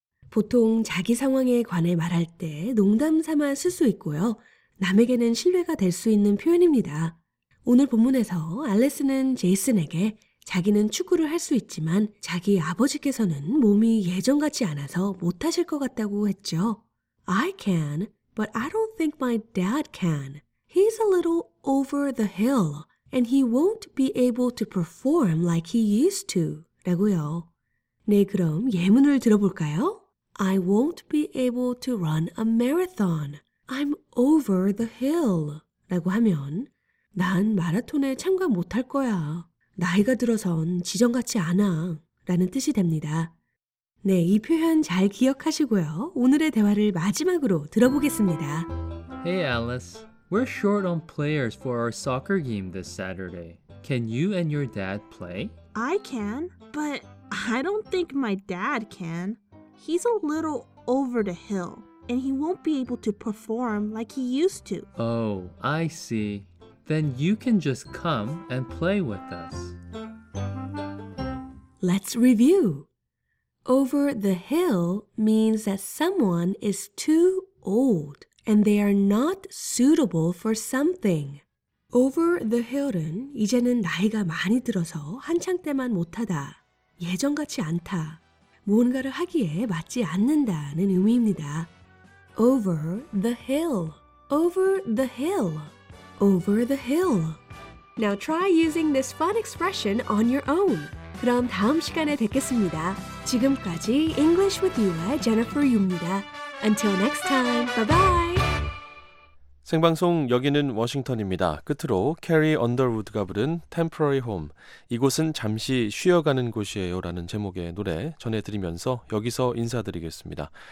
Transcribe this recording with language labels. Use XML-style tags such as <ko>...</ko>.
<ko>보통 자기 상황에 관해 말할 때 농담 삼아 쓸 수 있고요. 남에게는 신뢰가 될 수 있는 표현입니다. 오늘 본문에서 알리스는 제이슨에게 자기는 축구를 할 수 있지만 자기 아버지께서는 몸이 예전 같지 않아서 못하실 것 같다고 했죠.</ko> <en>I can, but I don't think my dad can. He's a little over the hill, and he won't be able to perform like he used to.</en> <ko>라고요. 네, 그럼 예문을 들어볼까요?</ko> <en>I won't be able to run a marathon. I'm over the hill.</en> <ko>라고 하면 난 마라톤에 참가 못할 거야. 나이가 들어선 지정 같지 않아. 라는 뜻이 됩니다. 네, 이 표현 잘 기억하시고요. 오늘의 대화를 마지막으로 들어보겠습니다.</ko> <en>Hey, Alice. We're short on players for our soccer game this Saturday. Can you and your dad play? I can, but I don't think my dad can. He's a little over the hill, and he won't be able to perform like he used to. Oh, I see. Then you can just come and play with us. Let's review. Over the hill means that someone is too old, and they are not suitable for something.</en> <ko>Over the hill은 이제는 나이가 많이 들어서 한창 때만 못하다, 예전 같지 않다, 무언가를 하기에 맞지 않는다는 의미입니다.</ko> <en>Over the hill, over the hill, over the hill. Now try using this fun expression on your own.</en> <ko>그럼 다음 시간에 뵙겠습니다. 지금까지 English with You의 Jennifer Yu입니다.</ko> <en>Until next time, bye-bye!</en> <ko>생방송 여기는 워싱턴입니다. 끝으로 캐리 언더우드가 부른 Temporary Home, 이곳은 잠시 쉬어가는 곳이에요 라는 제목의 노래 전해드리면서 여기서 인사드리겠습니다.</ko>